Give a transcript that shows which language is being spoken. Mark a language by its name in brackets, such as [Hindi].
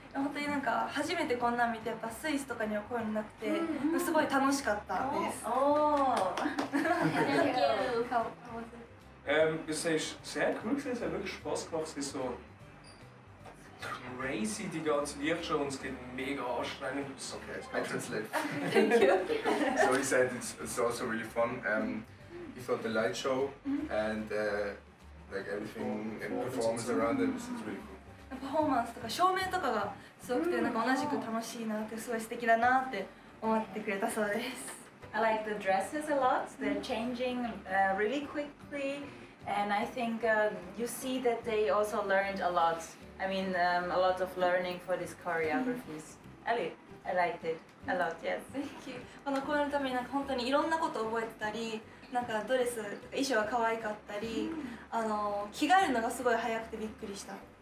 [Japanese] 本当になんか初めてこんなん見てやっぱスイスとかにはこういうのなくて、うん、すごい楽しかったです。おお。 [English] Thank you. [German] Wir sehen sehr cool, es hat wirklich Spaß gemacht. Es ist so crazy, die ganze Lichtshow, und es geht mega anstrengend. [English] It's okay, I translate. Thank you. So he said it's also really fun. He thought the light show and like everything and performance around them is really cool. [Japanese] パフォーマンスとか照明とかがすごくてなんか同じく楽しいなってすごい素敵だなって思ってくれたそうです。 [English] I like the dresses a lot. They're changing really quickly, and I think you see that they also learned a lot. I mean, a lot of learning for these choreographies. Ellie, I liked it a lot. Yes. Thank you. [Japanese] この公演のためになんか本当にいろんなことを覚えてたり。なんかドレス衣装が可愛かったり、着替えるのがすごい早くてびっくりした。